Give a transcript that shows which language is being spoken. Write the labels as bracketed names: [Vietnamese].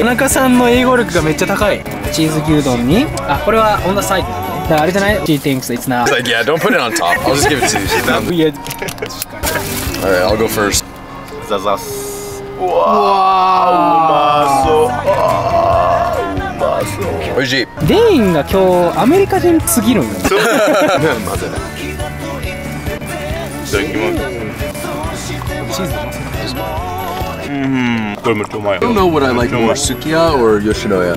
[Japanese] 田中さんの英語力がめっちゃ高い。チーズ牛丼に、あ、これはオンザサイド。あれじゃない? [English] She thinks it's not. He's like, yeah, don't put it on top. I'll just give it to you. Yeah. Alright, I'll go first. ザザス。 [Japanese] うわー、うまそう。おいしい。デインが今日アメリカ人すぎるんだ。そう。まずない。いただきます。チーズマスク。これめっちゃうまい。 [English] I don't know what I like more, Sukiya or Yoshinoya.